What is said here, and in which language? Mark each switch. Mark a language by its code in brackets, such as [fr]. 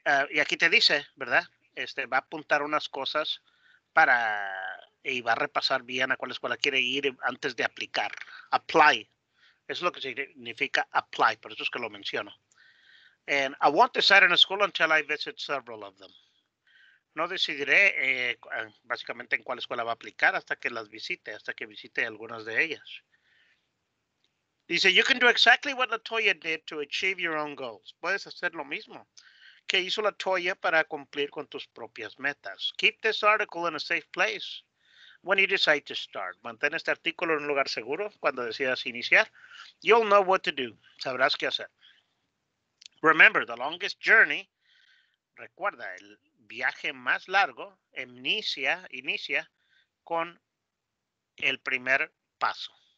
[es] Y aquí te dice, ¿verdad? Va a apuntar unas cosas para, y va a repasar bien a cuál escuela quiere ir antes de aplicar. Apply. Eso es lo que significa apply, por eso es que lo menciono. [en] And I won't decide on a school until I visit several of them. [es] No decidiré básicamente en cuál escuela va a aplicar hasta que las visite, hasta que visite algunas de ellas. Dice, [en] you can do exactly what LaToya did to achieve your own goals. [es] Puedes hacer lo mismo que hizo LaToya para cumplir con tus propias metas. [en] Keep this article in a safe place when you decide to start. [es] Mantén este artículo en un lugar seguro cuando decidas iniciar. [en] You'll know what to do. [es] Sabrás qué hacer. [en] Remember, the longest journey, [es] recuerda, el viaje más largo, inicia con el primer paso.